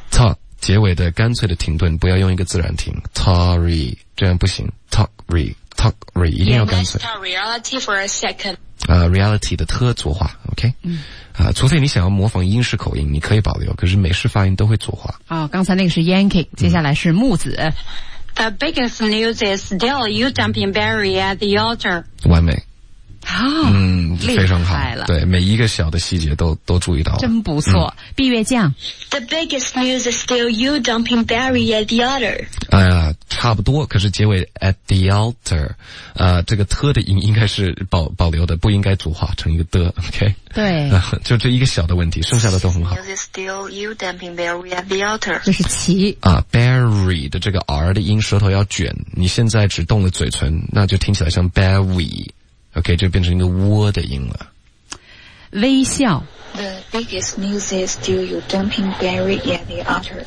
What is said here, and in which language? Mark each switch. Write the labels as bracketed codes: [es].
[zh] Talk 结尾的干脆的停顿不要用一个自然停 Talkry 这样不行 Talkry 一定要干脆 [en] Let's talk reality for a second [zh] Reality 的特浊化 OK、嗯除非你想要模仿英式口音你可以保留可是美式发音都会浊化、哦、刚才那个是 Yankee 接下来是木子、嗯 [en] The biggest news is still you dumping Barry at the altar. [zh] 完美。好、哦。嗯非常好。对每一个小的细节都注意到了。真不错。嗯、闭月酱。 [en] The biggest news is still you dumping Barry at the altar. [zh] 哎呀差不多可是结尾 [en] at the altar, [zh] 这个特的音应该是保留的不应该组化成一个的 ,ok? 对。就这一个小的问题剩下的都很好。 [en] The biggest news is still you dumping Barry at the altar. [zh] 这是奇。 Barry 的这个 R 的音舌头要卷你现在只动了嘴唇那就听起来像 Barry。 OK, 就变成一个窝的音了。微笑。 [en] The biggest news is still you dumping Barry at the altar.